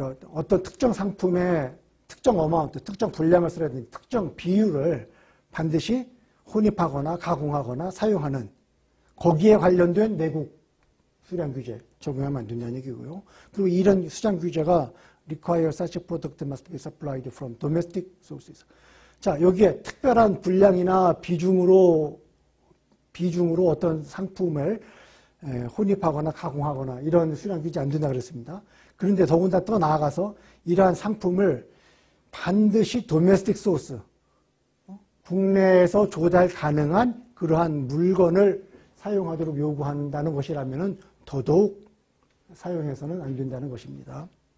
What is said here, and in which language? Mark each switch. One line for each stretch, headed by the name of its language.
Korean: 어떤 특정 상품의 특정 어마운트, 특정 분량을 쓰라든지 특정 비율을 반드시 혼입하거나 가공하거나 사용하는 거기에 관련된 내국 수량 규제 적용하면 안 된다는 얘기고요. 그리고 이런 수량 규제가
English: require such product must be supplied from domestic sources.
Korean: 자, 여기에 특별한 분량이나 비중으로 어떤 상품을 혼입하거나 가공하거나 이런 수량 규제 안 된다 그랬습니다. 그런데 더군다나 또 나아가서 이러한 상품을 반드시 도메스틱 소스, 국내에서 조달 가능한 그러한 물건을 사용하도록 요구한다는 것이라면 더더욱 사용해서는 안 된다는 것입니다.